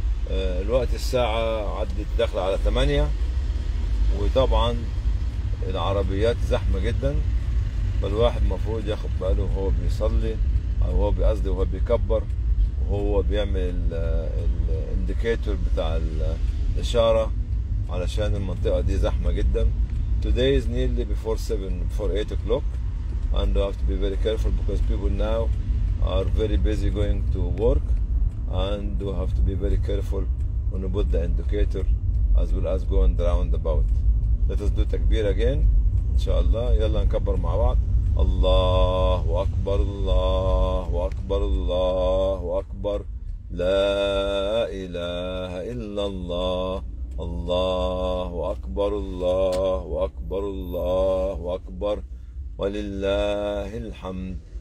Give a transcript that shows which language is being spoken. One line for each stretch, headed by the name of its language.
Arabic: الوقت الساعة عدت داخل على 8، وطبعا العربيات زحمة جدا، فالواحد المفروض ياخد باله وهو بيصلي أو هو بيقصد وهو بيكبر وهو بيعمل الانديكيتور بتاع الإشارة علشان المنطقة دي زحمة جدا.
English: Today is nearly before 7 before 8 o'clock and we have to be very careful because people now are very busy going to work and we have to be very careful when we put the indicator as well as going round about. Let us do takbir again
Arabic: إن شاء الله. يلا نكبر مع بعض. الله أكبر الله أكبر الله أكبر لا إله إلا الله. الله أكبر الله أكبر الله أكبر ولله الحمد.